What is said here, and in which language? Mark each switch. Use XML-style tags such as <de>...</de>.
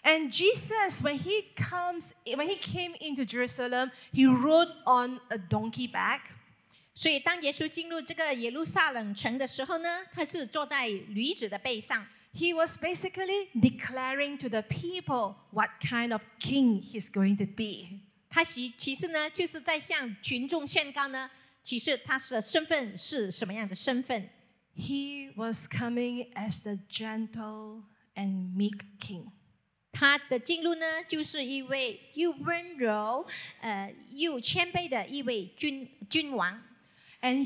<en>Jesus, when he came into Jerusalem, he rode on a donkey back.</en> <zh>所以当耶稣进入这个耶路撒冷城的时候呢，他是坐在驴子的背上。</zh> <en>He was basically declaring to the people what kind of king he's going to be.</en> <zh>他其实呢，就是在向群众宣告呢，其实他的身份是什么样的身份。</zh> <en>He was coming as the gentle and meek king.</en> <zh>他的进入呢，就是一位又温柔，又谦卑的一位君王。</zh> <en>And</en>